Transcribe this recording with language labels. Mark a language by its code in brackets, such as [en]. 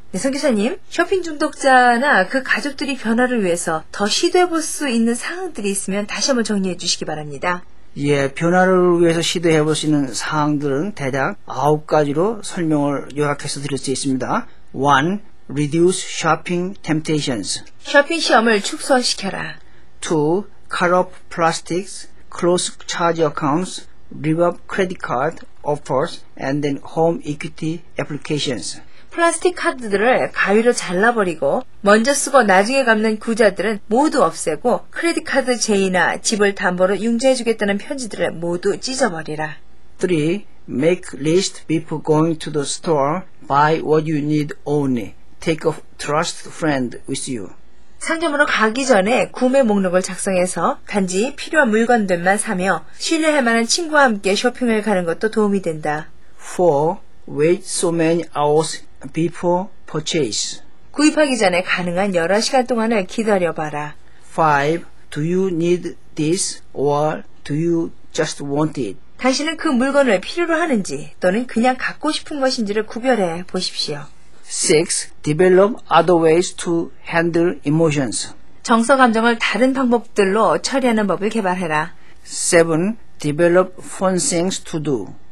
[ko] 네, 선교사님, 쇼핑 중독자나 그 가족들이 변화를 위해서 더 시도해볼 수 있는 사항들이 있으면 다시 한번 정리해 주시기 바랍니다. 예, 변화를 위해서 시도해볼 수 있는 사항들은 대략 9가지로 설명을 요약해서 드릴 수 있습니다. [en] 1. Reduce shopping temptations. [ko] 쇼핑 시험을 축소시켜라. 2. [en] Cut off plastics, close charge accounts, give up credit card offers, and then home equity applications. [ko] 플라스틱 카드들을 가위로 잘라버리고 먼저 쓰고 나중에 갚는 구좌들은 모두 없애고 크레딧 카드 제의나 집을 담보로 융자해주겠다는 편지들을 모두 찢어버리라. [en] 3. Make list before going to the store. Buy what you need only. Take a trusted friend with you. [ko] 상점으로 가기 전에 구매 목록을 작성해서 단지 필요한 물건들만 사며 신뢰할 만한 친구와 함께 쇼핑을 가는 것도 도움이 된다. [en] 4. Wait so many hours before purchase. [ko] 구입하기 전에 가능한 여러 시간 동안을 기다려봐라. 5. [en] Do you need this or do you just want it? [ko] 당신은 그 물건을 필요로 하는지 또는 그냥 갖고 싶은 것인지를 구별해 보십시오. [en] 6. Develop other ways to handle emotions. [ko] 정서 감정을 다른 방법들로 처리하는 법을 개발해라. [en] 7. Develop fun things to do.